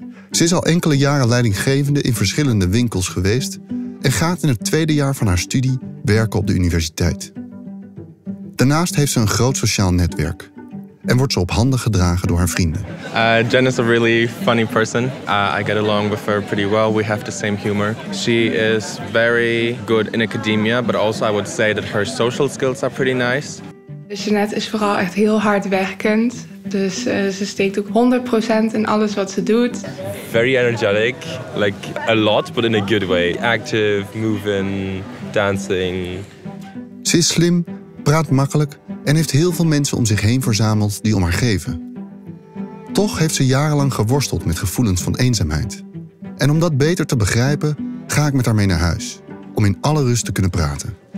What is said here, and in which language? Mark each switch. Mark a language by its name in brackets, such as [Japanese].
[Dutch] Ze is al enkele jaren leidinggevende in verschillende winkels geweest en gaat in het tweede jaar van haar studie werken op de universiteit. Daarnaast heeft ze een groot sociaal netwerk en wordt ze op handen gedragen door haar vrienden. [English] Jen is a really funny person. I get along with her pretty well. We have the same humor. She is very good in academia, but also I would say that her social skills are pretty nice. [Dutch] Jeanette is vooral echt heel hardwerkend. Dus ze steekt ook 100% in alles wat ze doet. [English] Very energetic, like a lot, but in a good way. Active, moving, dancing. [Dutch] Ze is slim, praat makkelijk en heeft heel veel mensen om zich heen verzameld die om haar geven. Toch heeft ze jarenlang geworsteld met gevoelens van eenzaamheid. En om dat beter te begrijpen, ga ik met haar mee naar huis. Om in alle rust te kunnen praten.